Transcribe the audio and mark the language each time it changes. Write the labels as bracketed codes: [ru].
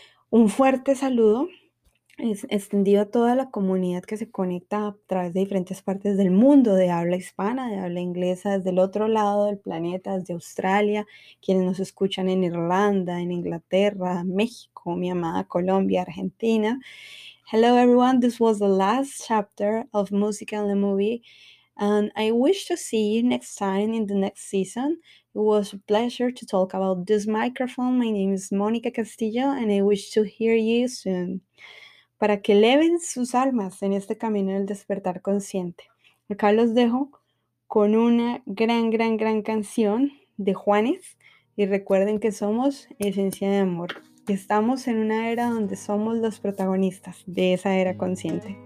[es] Un fuerte saludo extendido a toda la comunidad que se conecta a través de diferentes partes del mundo, de habla hispana, de habla inglesa, desde el otro lado del planeta, desde Australia, quienes nos escuchan en Irlanda, en Inglaterra, México, mi amada Colombia, Argentina. [en] Hello everyone, this was the last chapter of Music and the Movie, and I wish to see you next time in the next season. It was a pleasure to talk about this microphone. My name is Mónica Castillo and I wish to hear you soon. [es] Para que eleven sus almas en este camino del despertar consciente. Acá los dejo con una gran, gran, gran canción de Juanes. Y recuerden que somos esencia de amor. Estamos en una era donde somos los protagonistas de esa era consciente.